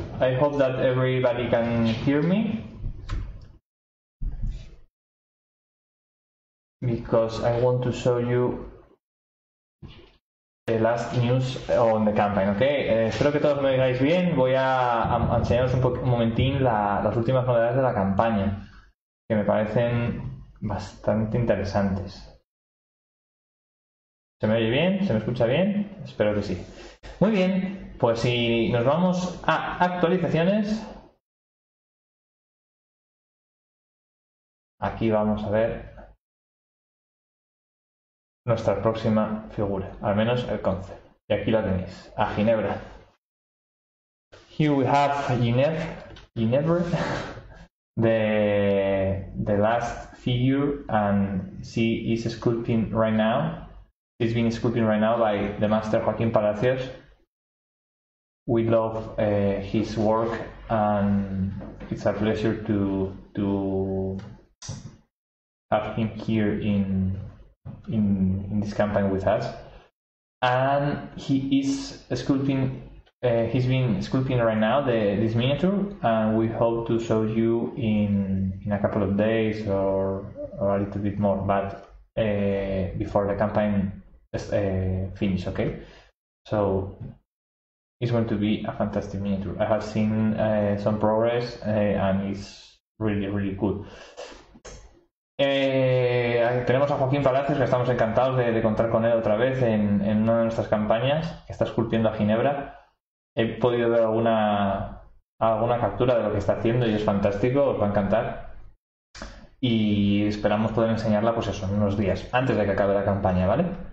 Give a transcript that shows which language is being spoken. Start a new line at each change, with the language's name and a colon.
English: I hope that everybody can hear me, because I want to show you the last news on the campaign, okay?
Spanish: Espero que todos me oigáis bien. Voy a enseñaros un momentín las últimas novedades de la campaña, que me parecen bastante interesantes. ¿Se me oye bien? ¿Se me escucha bien? Espero que sí. Muy bien, pues si nos vamos a actualizaciones, aquí vamos a ver nuestra próxima figura, al menos el concept. Y aquí la tenéis, a Ginebra.
English: Here we have Ginebra, the last figure, and she is sculpting right now. She's being sculpting right now by the master Joaquín Palacios. We love his work, and it's a pleasure to have him here in this campaign with us. And he is sculpting, he's been sculpting right now this miniature, and we hope to show you in a couple of days or a little bit more, but before the campaign finish, okay? So it's going to be a fantastic miniature. I have seen some progress and it's really, really good.
Spanish: Tenemos a Joaquín Palacios, que estamos encantados de contar con él otra vez en una de nuestras campañas, que está esculpiendo a Ginebra. He podido ver alguna captura de lo que está haciendo y es fantástico, os va a encantar. Y esperamos poder enseñarla, pues eso, en unos días, antes de que acabe la campaña, ¿vale?